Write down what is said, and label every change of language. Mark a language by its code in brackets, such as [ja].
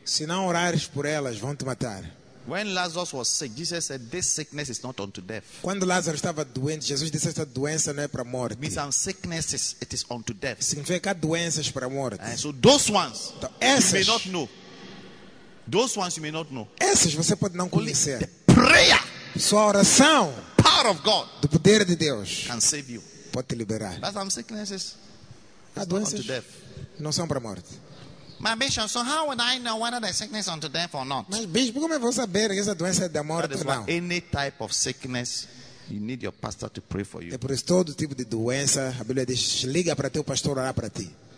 [pt] Se não orares por elas, vão te matar. [en] When Lazarus was sick, Jesus said, "This sickness is not unto death." [pt] Quando Lázaro estava doente, Jesus disse, "Esta doença não é para morte." [en] Means some sicknesses, it is unto death. [pt] Significa doenças para morte. [en] And so those ones, [pt] então, essas, [en] you may not know. Those ones you may not know. [pt] Essas você pode não conhecer. [en] The prayer, [pt] só a oração, [en] the power of God, [pt] do poder de Deus, [en] can save you. [pt] Pode te liberar. [en] But some sicknesses. [pt] As doenças não são para morte. [en] My bishop, so how would I know whether the sickness is unto death or not? [pt] Mas bishop, como eu vou saber que essa doença é da morte ou não? [en] Any type of sickness, you need your pastor to pray for you. [pt] É por isso todo tipo de doença, a Bíblia diz, liga para teu pastor orar para ti.